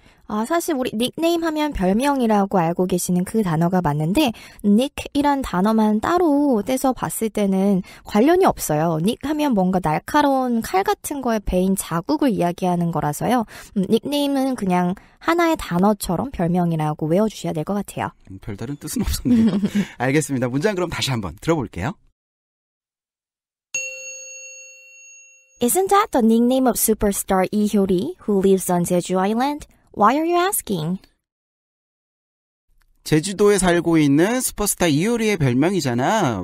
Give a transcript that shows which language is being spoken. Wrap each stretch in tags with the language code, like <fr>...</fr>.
<ko>아, 사실 우리 닉네임 하면 별명이라고 알고 계시는 그 단어가 맞는데 닉이란 단어만 따로 떼서 봤을 때는 관련이 없어요. 닉 하면 뭔가 날카로운 칼 같은 거에 베인 자국을 이야기하는 거라서요. 닉네임은 그냥 하나의 단어처럼 별명이라고 외워주셔야 될 것 같아요. 별다른 뜻은 없었네요. 알겠습니다. 문장 그럼 다시 한번 들어볼게요.</ko> <en>Isn't that the nickname of superstar Lee Hyo-li who lives on Jeju Island? Why are you asking?</en> <ko>제주도에 살고 있는 슈퍼스타 이효리의 별명이잖아.</ko>